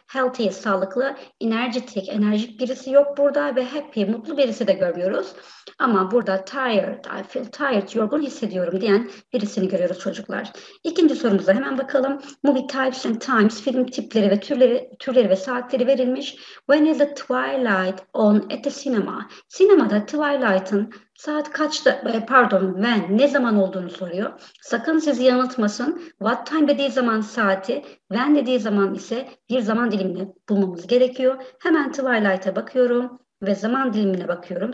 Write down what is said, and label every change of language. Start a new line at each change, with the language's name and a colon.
Turkish: Healthy, sağlıklı, energetic, enerjik birisi yok burada ve happy, mutlu birisi de görmüyoruz. Ama burada tired,
English: I feel tired,
Turkish: yorgun hissediyorum diyen birisini görüyoruz çocuklar. İkinci sorumuza hemen bakalım.
English: Movie types and times,
Turkish: film tipleri ve türleri ve saatleri verilmiş.
English: When is the twilight on at the cinema?
Turkish: Sinemada twilight'ın saat kaçta, pardon, when, ne zaman olduğunu soruyor. Sakın sizi yanıltmasın.
English: What time
Turkish: dediği zaman saati, when dediği zaman ise bir zaman dilimini bulmamız gerekiyor. Hemen twilight'a bakıyorum ve zaman dilimine bakıyorum.